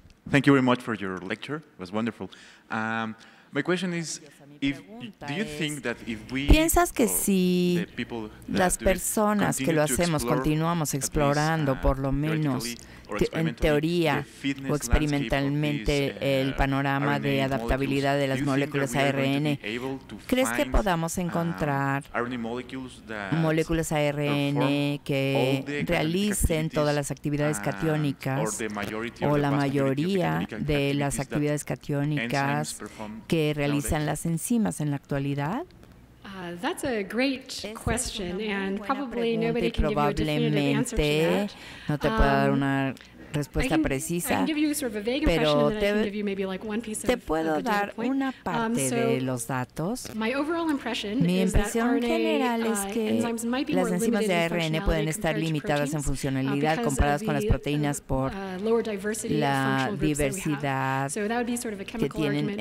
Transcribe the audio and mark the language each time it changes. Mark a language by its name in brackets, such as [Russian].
[English] Thank you very much for your lecture. It was wonderful. My question is, if do you think that if we, [Spanish] ¿piensas que si las personas que lo hacemos continuamos explorando por lo menos en teoría o experimentalmente el panorama de adaptabilidad de las moléculas ARN, ¿crees que podamos encontrar moléculas ARN que realicen todas las actividades catiónicas o la mayoría de las actividades catiónicas que realizan las enzimas en la actualidad? [English] That's a great question, and probably nobody can give you a definitive answer to that. [Spanish] No te puedo dar una respuesta precisa, pero te puedo dar una parte de los datos. Mi impresión general es que las enzimas de ARN pueden estar limitadas en funcionalidad comparadas con las proteínas por la diversidad que tienen.